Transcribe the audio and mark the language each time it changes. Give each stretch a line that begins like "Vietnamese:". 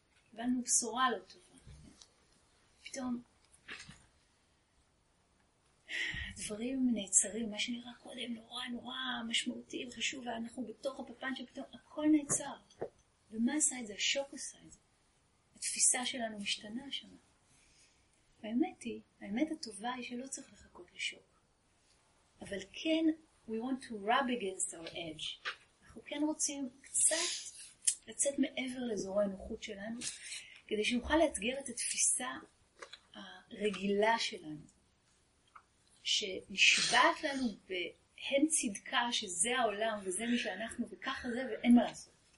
Hebrew: קיבלנו בשורה לא טובה. פתאום הדברים נעצרים, מה שנראה קודם נורא נורא משמעותי וחשוב, ואנחנו בתוך הפפן שפתאום הכל נעצר. ומה עשה את זה? השוק עשה את זה. התפיסה שלנו משתנה שם. האמת היא, האמת הטובה היא שלא צריך לחכות לשוק. אבל כן,
English: we want to rub against our edge.
Hebrew: אנחנו כן רוצים קצת לצאת מעבר לאזורי הנוחות שלנו, כדי שנוכל לאתגר את התפיסה הרגילה שלנו, שנשבעת לנו בהן צדקה שזה העולם וזה מי שאנחנו וככה זה ואין מה לעשות.